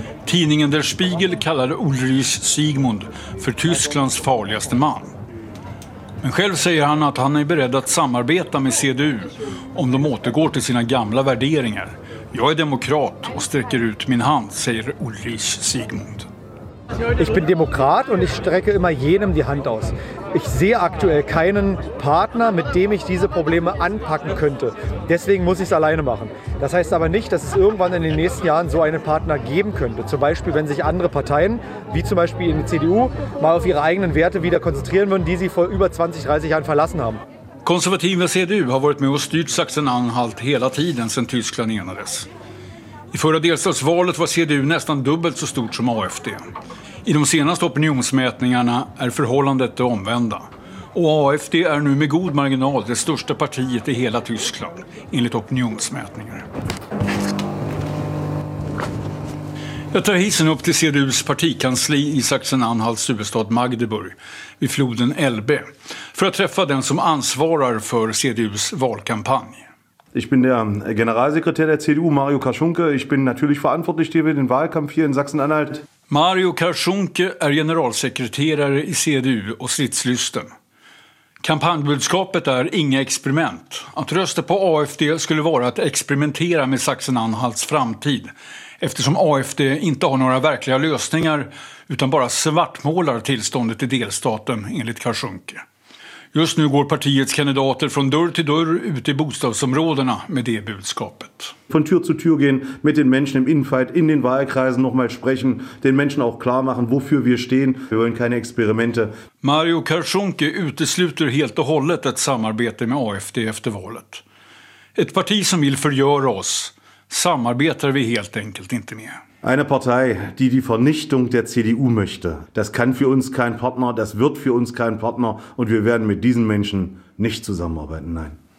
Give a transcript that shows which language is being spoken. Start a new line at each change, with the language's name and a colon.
Swedish: Tidningen Der Spiegel kallade Ulrich Sigmund för Tysklands farligaste man. Men själv säger han att han är beredd att samarbeta med CDU om de återgår till sina gamla värderingar. Jag är demokrat och sträcker ut min hand, säger Ulrich Sigmund.
German: Ich bin Demokrat und ich strecke immer jenem die Hand aus. Ich sehe aktuell keinen Partner, mit dem ich diese Probleme anpacken könnte. Deswegen muss ich es alleine machen. Das heißt aber nicht, dass es irgendwann in den nächsten Jahren so einen Partner geben könnte. Zum Beispiel, wenn sich andere Parteien, wie zum Beispiel in der CDU, mal auf ihre eigenen Werte wieder konzentrieren würden, die sie vor über 20, 30 Jahren verlassen haben.
Swedish: Konservative CDU har varit med och styrt Sachsen-Anhalt hela tiden sedan Tyskland enades. I förra delstatsvalet var CDU nästan dubbelt så stort som AfD. I de senaste opinionsmätningarna är förhållandet det omvända. Och AfD är nu med god marginal det största partiet i hela Tyskland, enligt opinionsmätningar. Jag tar hissen upp till CDUs partikansli i Sachsen-Anhalts huvudstad Magdeburg, vid floden Elbe, för att träffa den som ansvarar för CDUs valkampanj.
German: Ich bin der Generalsekretär der CDU, Mario Kaschunke. Ich bin natürlich verantwortlich für den Wahlkampf hier in Sachsen-Anhalt.
Swedish: Mario Kaschunke är generalsekreterare i CDU och stridslysten. Kampanjbudskapet är inga experiment. Att rösta på AfD skulle vara att experimentera med Sachsen-Anhalts framtid. Eftersom AfD inte har några verkliga lösningar utan bara svartmålar tillståndet i delstaten, enligt Kaschunke. Just nu går partiets kandidater från dörr till dörr ute i bostadsområdena med det budskapet.
German: Von Tür zu Tür gehen, mit den Menschen im Innenfeld, in den Wahlkreisen nochmal sprechen, den Menschen auch klar machen, wofür wir stehen. Wir wollen keine Experimente.
Swedish: Mario Kaschunke utesluter helt och hållet ett samarbete med AfD efter valet. Ett parti som vill förgöra oss samarbetar vi helt enkelt inte med.
German: Eine Partei, die die Vernichtung der CDU möchte, das kann für uns kein Partner, das wird für uns kein Partner und wir werden mit diesen Menschen nicht zusammenarbeiten, nein.